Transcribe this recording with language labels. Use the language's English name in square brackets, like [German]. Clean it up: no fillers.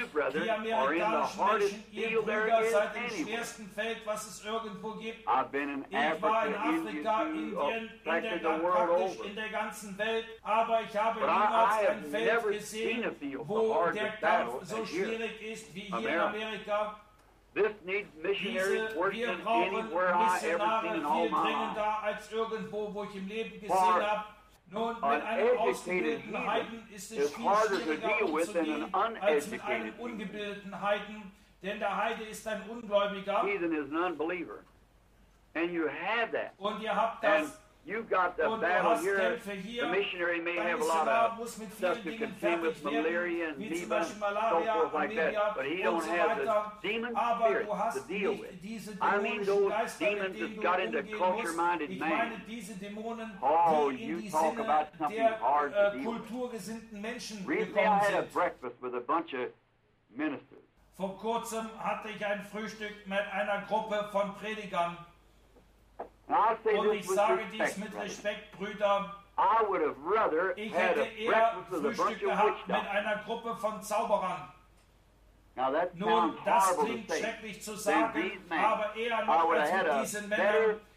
[German] Die amerikanischen Menschen, ihr Brüder, seid im schwersten Feld, was es irgendwo gibt. Ich war in Afrika, Indien, praktisch in der ganzen Welt, aber ich habe niemals ein Feld gesehen, wo der Kampf so schwierig ist wie hier in Amerika. [English] This needs missionaries worse than anywhere I ever seen in all my life. For an educated heathen is harder to deal with than an uneducated heathen. [German] Denn der Heide ist ein Ungläubiger. [English] Heathen is an unbeliever. And you have that. [German] Und ihr habt das. [English] And you've got the battle here. The missionary may have a lot of stuff to contend with, malaria and demons, so forth like that. But he don't have the demon spirit to deal with. I mean, those demons that got into culture-minded man. Oh, you talk about something hard to deal with. Recently, I had a breakfast with a bunch of ministers. [German] Vor kurzem hatte ich ein Frühstück mit einer Gruppe von Predigern. Und ich sage dies mit Respekt, Brüder. Ich hätte eher Frühstück gehabt mit einer Gruppe von Zauberern. Nun, das klingt schrecklich zu sagen, aber eher noch als mit diesen Männern.